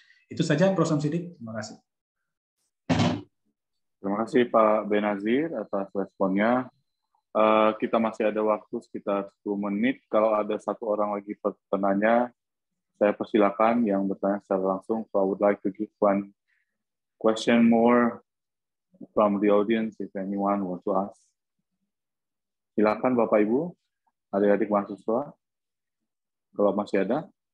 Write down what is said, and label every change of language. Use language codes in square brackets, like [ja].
[id] Itu saja Prof. Sidik, terima kasih. Terima kasih Pak Benazir atas responnya. Kita masih ada waktu sekitar 10 menit. Kalau ada satu orang lagi penanya, saya persilakan yang bertanya secara langsung. [en] So I would like to give one question more from the audience if anyone want to ask. [id] Silakan Bapak Ibu, adik-adik mahasiswa, kalau masih ada.